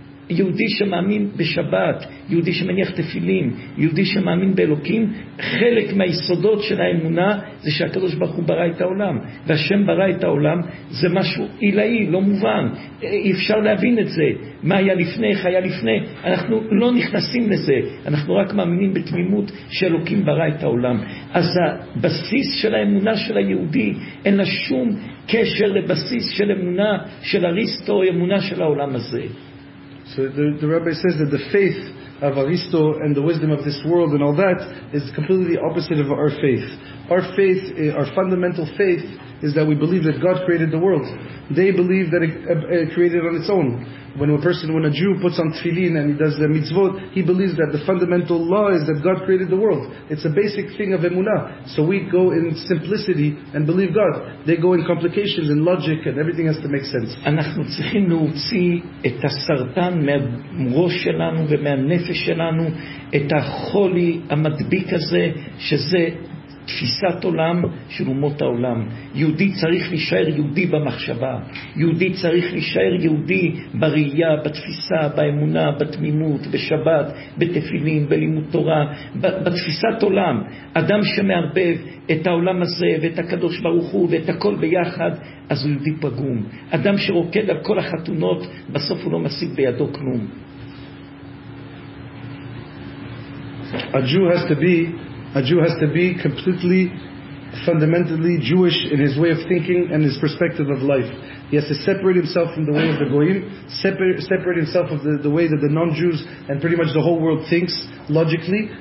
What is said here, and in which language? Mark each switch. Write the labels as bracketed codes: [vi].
[he] יהודי שמאמין בשבת, יהודי שמניח תפילים, יהודי שמאמין באלוקים, חלק מהיסודות של האמונה זה שהקדוש ברוך הוא ברא את העולם, והשם ברא את העולם זה משהו אילאי, לא מובן, אי אפשר להבין את זה, מה היה לפני, איך היה לפני. אנחנו לא נכנסים לזה, אנחנו רק מאמינים בתמימות שאלוקים ברא את העולם. אז הבסיס של האמונה של היהודי אין לה שום קשר לבסיס של אמונה של אריסטו או אמונה של העולם הזה. [en] So the rabbi says that the faith of Aristo and the wisdom of this world and all that is completely opposite of our faith. Our faith, our fundamental faith, is that we believe that God created the world. They believe that it created on its own. when a Jew puts on tefillin and he does the mitzvot, he believes that the fundamental law is that God created the world. It's a basic thing of emunah. So we go in simplicity and believe God. They go in complications and logic, and everything has to make sense. [he] אנחנו צריכים להוציא את הסרטן מהראש שלנו ומהנפש שלנו, את החולי המדביק הזה, שזה תפיסת עולם של אומות העולם. יהודי צריך להישאר יהודי במחשבה, יהודי צריך להישאר יהודי בראייה, בתפיסה, באמונה, בתמימות, בשבת, בתפילים, בלימוד תורה, בתפיסת עולם. אדם שמערבב את העולם הזה ואת הקדוש ברוך הוא ואת הכל ביחד, אז הוא יהודי פגום. אדם שרוקד על כל החתונות, בסוף הוא לא משיג בידו כלום. [en] A Jew has to be completely, fundamentally Jewish in his way of thinking and his perspective of life. He has to separate himself from the way of the Goyim, separate himself of the way that the non-Jews and pretty much the whole world thinks logically.